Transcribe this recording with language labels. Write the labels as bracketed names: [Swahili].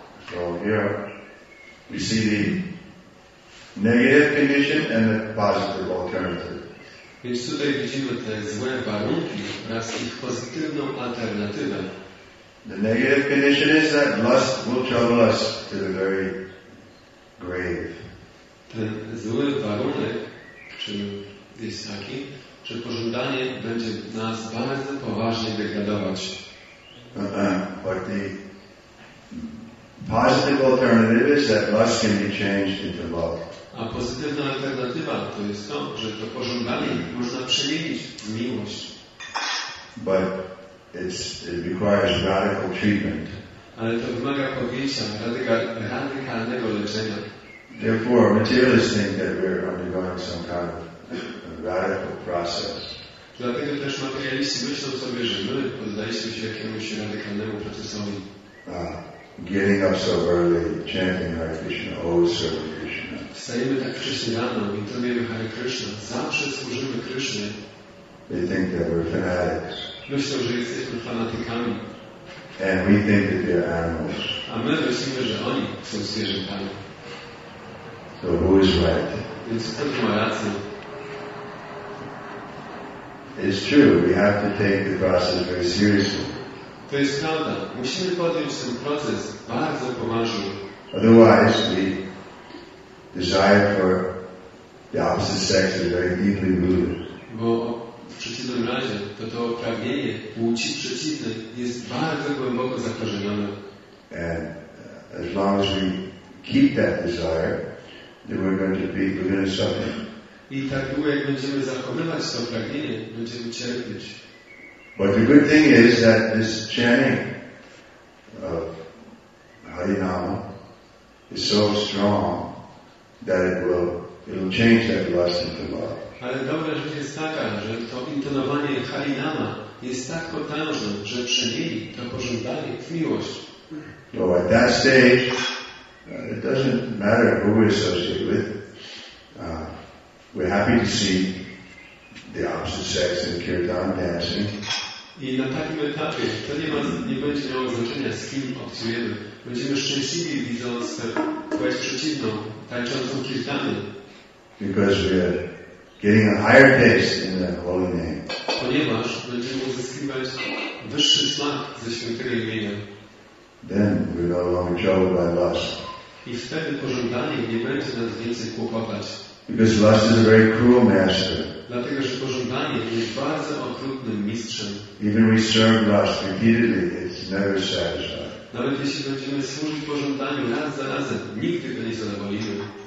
[English] So here we see the negative condition and the positive alternative. [Polish] Więc tutaj widzimy te złe warunki oraz ich pozytywną alternatywę. [English] The negative condition is that lust will trouble us to the very grave. [Polish] Ten zły warunek, czy jest taki, że pożądanie będzie nas bardzo poważnie degradować. [English] But the positive alternative is that lust can be changed into love. [Polish] A pozytywna alternatywa to jest to, że to pożądanie można przemienić w miłość. [English] But it requires radical treatment. [Polish] Ale to wymaga podjęcia radykalnego leczenia. [English] Therefore, materialists think that we're undergoing some kind of radical process. [Polish] Dlatego też materialiści myślą sobie, że my poddaliśmy się jakiemuś radykalnemu procesowi. [English] Getting up so early, chanting Hare Krishna, always serving Krishna. [Polish] Wstajemy tak wcześnie rano, intonujemy Hare Krishna, zawsze służymy Krishnie. [English] They think that we're fanatics. [Polish] Myślą, że jesteśmy fanatykami. [English] And we think that they're animals. [Polish] A my myślimy, że oni są zwierzętami. [English] So who is right? [Polish] Więc kto tu ma rację? [English] It's true, we have to take the process very seriously. [Polish] To jest prawda. Musimy podjąć ten proces bardzo poważnie. [English] Otherwise, the desire for the opposite sex is very deeply rooted. [Polish] Bo w przeciwnym razie to pragnienie płci przeciwnej jest bardzo głęboko zakorzenione. [English] And as long as we keep that desire, then we're going to suffer. [Polish] I tak długo, jak będziemy zachowywać to pragnienie, będziemy cierpieć. [English] But the good thing is that this chanting of Hari Nama is so strong that it will change that lust into love. [Polish] Ale dobra rzecz jest taka, że to intonowanie Hari Nama jest tak potężne, że przemieni to pożądanie w miłość. [English] So at that stage, it doesn't matter who we associate with. We're happy to see the opposite sex in kirtan dancing. [Polish] I na takim etapie to nie będzie miało znaczenia, z kim obcujemy. Będziemy szczęśliwi, widząc płeć przeciwną, tańczącą kirtany. [English] Because we are getting a higher taste in the holy name. [Polish] Ponieważ będziemy uzyskiwać wyższy smak ze świętego imienia. [English] Then we are no longer troubled by lust. [Polish] I wtedy pożądanie nie będzie nas więcej kłopotać. [English] Because lust is a very cruel master. [Polish] Dlatego, że pożądanie jest bardzo okrutnym mistrzem. [English] Even we serve lust repeatedly, it's never satisfied. [Polish] Nawet jeśli będziemy służyć pożądaniu raz za razem, nigdy go nie zadowolimy.